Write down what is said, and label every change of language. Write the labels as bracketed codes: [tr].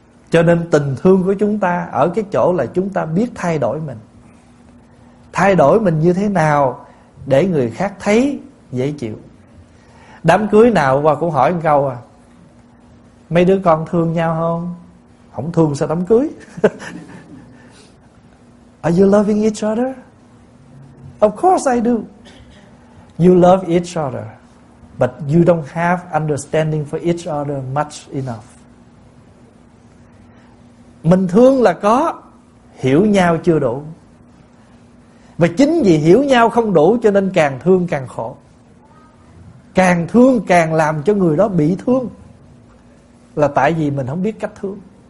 [vi] Cho nên tình thương của chúng ta ở cái chỗ là chúng ta biết thay đổi mình. Thay đổi mình như thế nào để người khác thấy dễ chịu. Đám cưới nào qua cũng hỏi một câu à, mấy đứa con thương nhau không? Không thương sao đám cưới? [en] Are you loving each other? Of course I do. You love each other, but you don't have understanding for each other much enough. [vi] Mình thương là có, hiểu nhau chưa đủ. Và chính vì hiểu nhau không đủ cho nên càng thương càng khổ. Càng thương càng làm cho người đó bị thương. Là tại vì mình không biết cách thương.